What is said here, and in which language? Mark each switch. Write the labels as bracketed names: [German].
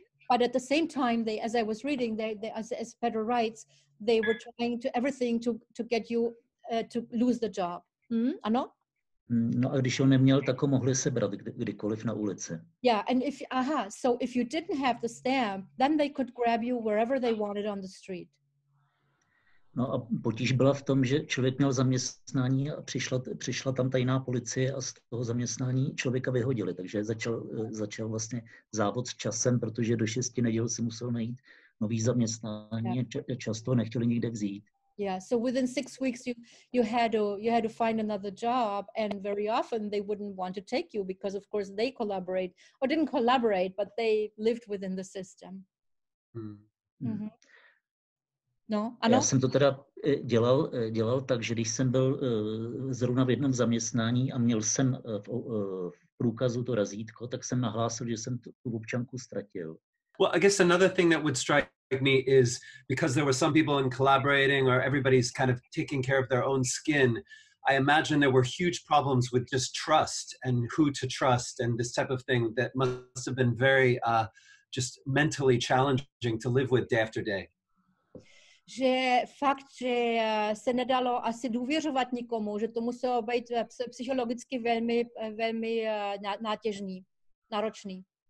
[English] But at the same time, they, as I was reading, they as Petr writes, they were trying to everything to get you to lose the job. [Czech] Ano? No a když ho neměl, tak ho mohli sebrat kdykoliv na ulici. [English] Yeah, and if you didn't have the stamp, then they could grab you wherever they wanted on the street. [Czech] No a potíž byla v tom, že člověk měl zaměstnání a přišla tam tajná policie a z toho zaměstnání člověka vyhodili. Takže začal vlastně závod s časem, protože do 6 neděl si musel najít nový zaměstnání a často nechtěli nikde vzít. [English] Yeah, so within 6 weeks you had to find another job, and very often they wouldn't want to take you because of course they collaborate, or didn't collaborate, but they lived within the system. [Czech] No, ano? Já jsem to teda dělal tak, že když jsem byl zrovna v jednom zaměstnání a měl jsem v průkazu to razítko, tak jsem nahlásil, že jsem tu občanku ztratil. [English] Well, I guess another thing that would strike me is because there were some people in collaborating or everybody's kind of taking care of their own skin, I imagine there were huge problems with just trust and who to trust and this type of thing that must have been very just mentally challenging to live with day after day. [Czech] Že fakt, že se nedalo asi důvěřovat nikomu, že to muselo být psychologicky velmi, velmi nátěžný, náročný.